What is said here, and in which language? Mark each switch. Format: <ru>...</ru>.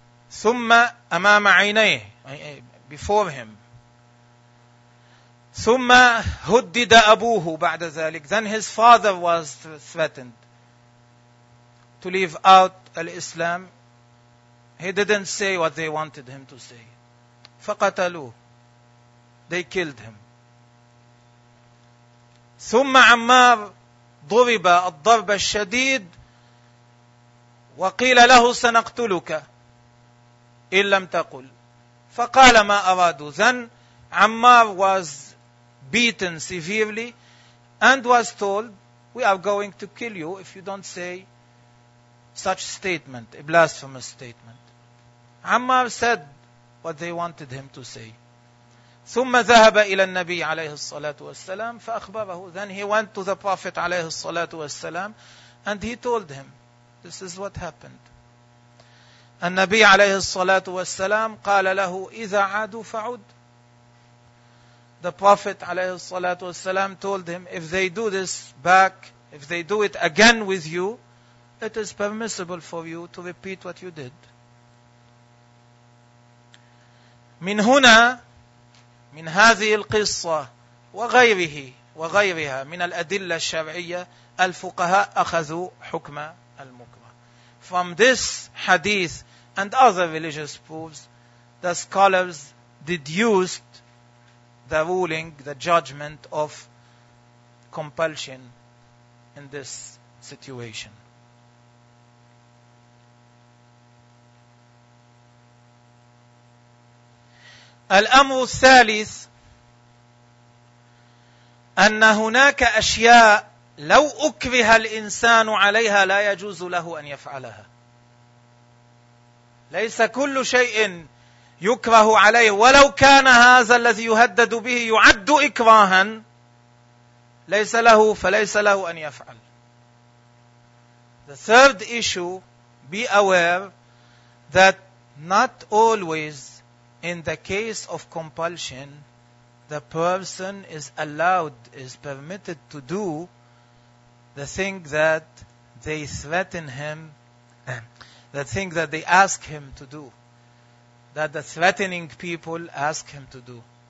<ar>ثم أمام عينيه</ar> <en>before him.</en> <ar>ثم هدد أبوه بعد ذلك.</ar> <en>Then his father was threatened to leave out al-Islam. He didn't say what they wanted him to say.</en> <ar>فقتلوه.</ar> <en>They killed him.</en> <ar>ثم عمار ضرب الضرب الشديد وقيل له سنقتلك إن لم تقل. فقال ما أرادوا.</ar> <en>Then Ammar was beaten severely and was told, we are going to kill you if you don't say such statement, a blasphemous statement. Ammar said what they wanted him to say.</en> <ar>ثم ذهب إلى النبي عليه الصلاة والسلام فأخبره.</ar> <en>Then he went to the Prophet</en> <ar>عليه الصلاة والسلام</ar> <en>and he told him, this is what happened.</en> <ar>النبي عليه الصلاة والسلام قال له, إذا عادوا فعد.</ar> <en>The Prophet</en> <ar>عليه الصلاة والسلام</ar> <en>told him, if they do this back, if they do it again with you, it is permissible for you to repeat what you did.</en> <ar>من هنا من هذه القصة وغيره وغيرها من الأدلة الشرعية الفقهاء أخذوا حكم المكره.</ar> <en>From this hadith and other religious proofs, the scholars deduced the ruling, the judgment of compulsion in this situation.</en> <ar>الأمر الثالث أن هناك أشياء لو أكره الإنسان عليها لا يجوز له أن يفعلها. ليس كل شيء يكره عليه ولو كان هذا الذي يهدد به يعد إكراها ليس له فليس له أن يفعل.</ar> <en>The third issue, be aware that not always in the case of compulsion the person is allowed, is permitted to do the thing that they threaten him, the thing that they ask him to do, that the threatening people ask him to do.</en>